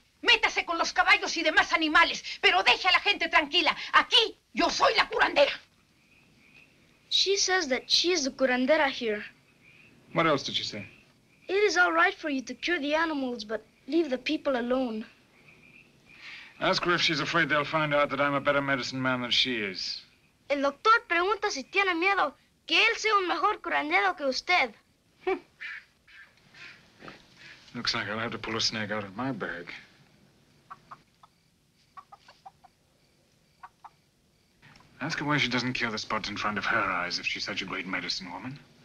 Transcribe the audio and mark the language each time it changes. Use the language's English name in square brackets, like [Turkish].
[Spanish] Métase con los caballos y demás animales, pero deje a la gente tranquila. Aquí, yo soy la curandera. [English] She says that she is the curandera here. What else did she say? It is all right for you to cure the animals, but leave the people alone. Ask her if she's afraid they'll find out that I'm a better medicine man than she is. [Spanish] El doctor pregunta si tiene miedo que él sea un mejor curandero que usted. [English] Looks like I'll have to pull a snake out of my bag. Ask her why she doesn't cure the spots in front of her eyes if she's such a great medicine woman.